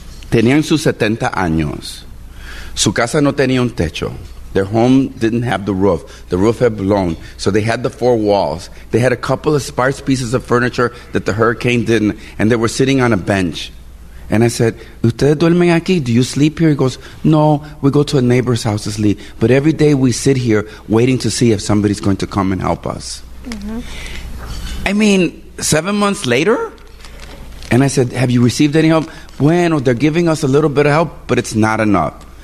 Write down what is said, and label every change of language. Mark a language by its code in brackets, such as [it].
[es] Tenían sus 70 años. Su casa no tenía un techo. [en] Their home didn't have the roof. The roof had blown. So they had the four walls. They had a couple of sparse pieces of furniture that the hurricane didn't. And they were sitting on a bench. And I said, [es] ¿Ustedes duermen aquí? [en] Do you sleep here? He goes, no, we go to a neighbor's house to sleep. But every day we sit here waiting to see if somebody's going to come and help us. Mm-hmm. I mean, 7 months later? And I said, have you received any help? Bueno, they're giving us a little bit of help, but it's not enough.